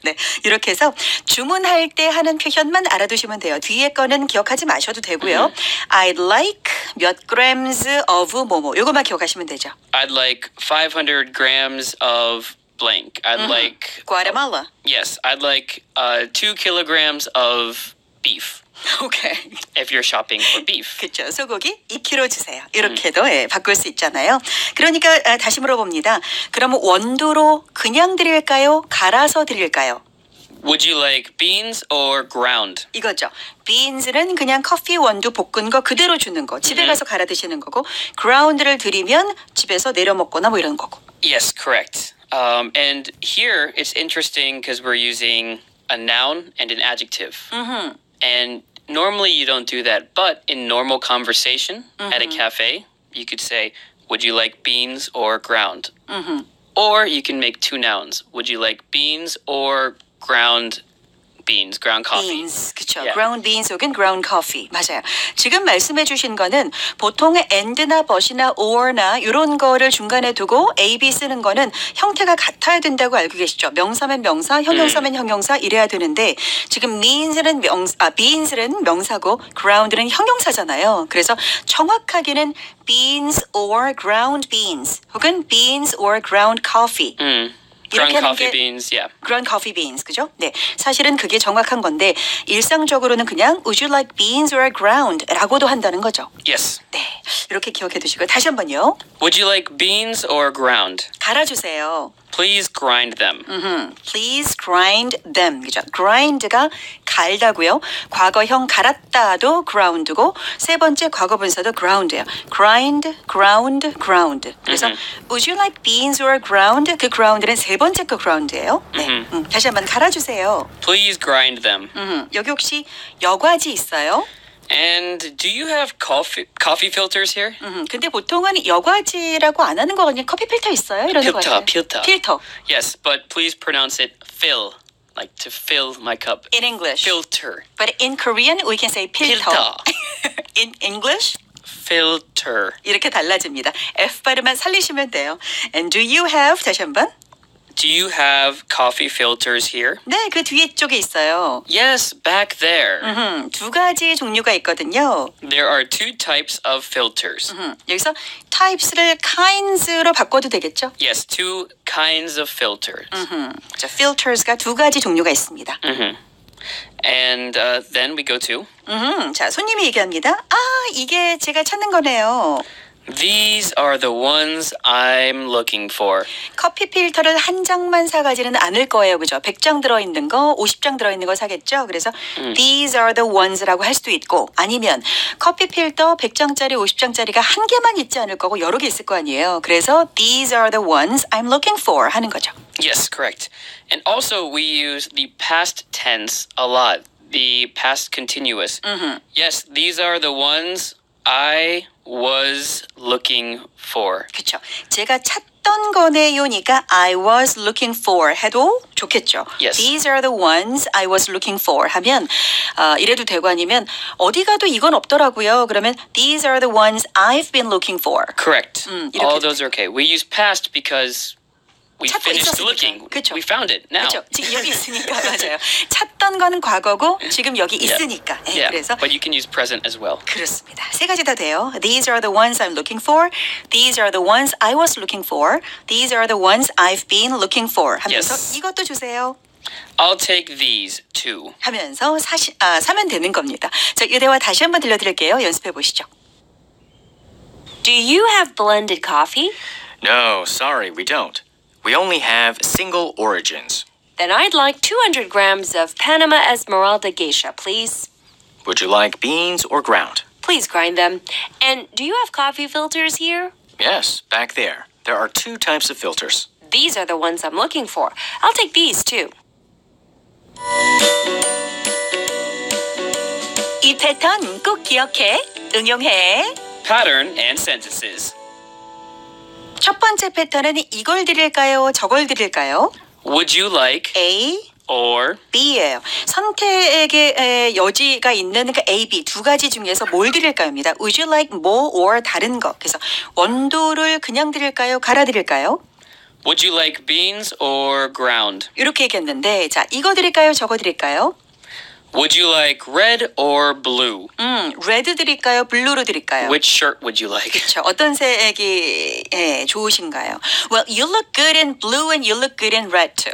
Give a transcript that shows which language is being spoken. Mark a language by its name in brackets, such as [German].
[Korean] 네, 이렇게 해서 주문할 때 하는 표현만 알아두시면 돼요. 뒤에 거는 기억하지 마셔도 되고요. [English] I'd like [Korean] 몇 [English] grams of [Korean] 뭐뭐. 요거만 기억하시면 되죠. [English] I'd like 500 grams of blank. I'd like... Guatemala. Yes, I'd like 2 kilograms of beef. Okay. If you're shopping for beef. [Korean] 그렇죠. 소고기 2kg 주세요. 이렇게도 바꿀 수 있잖아요. 그러니까 다시 물어봅니다. 그럼 원두로 그냥 드릴까요? 갈아서 드릴까요? [English] Would you like beans or ground? [Korean] 이거죠. Beans는 그냥 커피 원두 볶은 거 그대로 주는 거. 집에 가서 갈아 드시는 거고. Ground를 드리면 집에서 내려 먹거나 뭐 이런 거고. [English] Yes, correct. And here it's interesting because we're using a noun and an adjective. And normally you don't do that, but in normal conversation at a cafe, you could say, would you like beans or ground? Or you can make two nouns. Would you like beans or ground beans, ground coffee. Beans, [Korean] 그렇죠. [English] Yeah. Ground beans [Korean] 혹은 [English] ground coffee. [Korean] 맞아요. 지금 말씀해 주신 거는 보통의 and나 but이나 or나 이런 거를 중간에 두고 a, b 쓰는 거는 형태가 같아야 된다고 알고 계시죠. 명사면 명사, 형용사면 형용사 이래야 되는데 지금 means는 beans는 명사고 ground는 형용사잖아요. 그래서 정확하게는 [English] beans or ground beans [Korean] 혹은 [English] beans or ground coffee. Ground coffee beans, yeah. Ground coffee beans, [Korean] 그죠? 네, 사실은 그게 정확한 건데 일상적으로는 그냥 [English] Would you like beans or ground? [Korean] 라고도 한다는 거죠. [English] Yes. [Korean] 네, 이렇게 기억해 두시고 다시 한번요. [English] Would you like beans or ground? [Korean] 갈아주세요. [English] Please grind them. Mm-hmm. Please grind them. [Korean] 그죠? Grind가 갈다고요. 과거형 갈았다도 ground고 세 번째 과거분사도 ground예요. [English] Grind, ground, ground. [Korean] 그래서 [English] mm-hmm. Would you like beans or ground? [Korean] 그 ground는 세 번째 그 ground예요. 네. Mm-hmm. 다시 한번 갈아주세요. [English] Please grind them. Mm-hmm. [Korean] 여기 혹시 여과지 있어요? [English] And do you have coffee filters here? [Korean] 근데 보통은 여과지라고 안 하는 거 같냐? 커피 필터 있어요? 이런 거 같아요. 필터. [English] Yes, but please pronounce it fill, like to fill my cup. In English. Filter. But in Korean, we can say 필터. In English? Filter. [Korean] 이렇게 달라집니다. F 발음만 살리시면 돼요. [English] And do you have, [Korean] 다시 한 번. [English] Do you have coffee filters here? [Korean] 네, 그 뒤에 쪽에 있어요. [English] Yes, back there. [Korean] 두 가지 종류가 있거든요. [English] There are two types of filters. [Korean] 여기서 types를 kinds로 바꿔도 되겠죠? [English] Yes, two kinds of filters. [Korean] 자, filters가 두 가지 종류가 있습니다. [English] And then we go to? [Korean] 자, 손님이 얘기합니다. 아, 이게 제가 찾는 거네요. [English] These are the ones I'm looking for. [Korean] 커피 필터를 한 장만 사가지는 않을 거예요, 그죠? 100장 들어있는 거, 50장 들어있는 거 사겠죠? 그래서 [English] These are the ones [Korean] 라고 할 수도 있고 아니면 커피 필터 100장짜리, 50장짜리가 한 개만 있지 않을 거고 여러 개 있을 거 아니에요. 그래서 [English] These are the ones I'm looking for [Korean] 하는 거죠. [English] Yes, correct. And also we use the past tense a lot. The past continuous. Yes, these are the ones I was looking for. [Korean] 그쵸. 제가 찾던 거네요니까 [English] I was looking for [Korean] 해도 좋겠죠. [English] Yes. These are the ones I was looking for [Korean] 하면 이래도 되고 아니면 어디 가도 이건 없더라고요. 그러면 [English] These are the ones I've been looking for. Correct. All those are okay. We use past because we finished [Korean] 있었으니까. [English] looking. [Korean] 그쵸. [English] We found it now. [Korean] 그쵸. 지금 여기 있으니까 맞아요. 찾던 거는 과거고 지금 여기 있으니까. Yeah. 네, 그래서. [English] But you can use present as well. [Korean] 그렇습니다. 세 가지 다 돼요. [English] These are the ones I'm looking for. These are the ones I was looking for. These are the ones I've been looking for. [Korean] 하면서 [English] yes. [Korean] 이것도 주세요. [English] I'll take these too. [Korean] 하면서 사면 되는 겁니다. 자, 이 대화 다시 한번 들려드릴게요. 연습해 보시죠. [English] Do you have blended coffee? No, sorry, we don't. We only have single origins. Then I'd like 200 grams of Panama Esmeralda Geisha, please. Would you like beans or ground? Please grind them. And do you have coffee filters here? Yes, back there. There are two types of filters. These are the ones I'm looking for. I'll take these, too. [Korean] 이 패턴 꼭 기억해. 응용해. [English] Pattern and sentences. [Korean] 첫 번째 패턴은 이걸 드릴까요? 저걸 드릴까요? [English] Would you like A or [Korean] B예요. 선택의 여지가 있는 그 A, B 두 가지 중에서 뭘 드릴까요?입니다. [English] Would you like [Korean] 뭐 [English] or [Korean] 다른 거? 그래서 원두를 그냥 드릴까요? 갈아 드릴까요? [English] Would you like beans or ground? [Korean] 이렇게 얘기했는데 자, 이거 드릴까요? 저거 드릴까요? [English] Would you like red or blue? [Korean] 레드 드릴까요? 블루로 드릴까요? [English] Which shirt would you like? [Korean] 그쵸, 어떤 색이 예, 좋으신가요? [English] Well, you look good in blue and you look good in red too.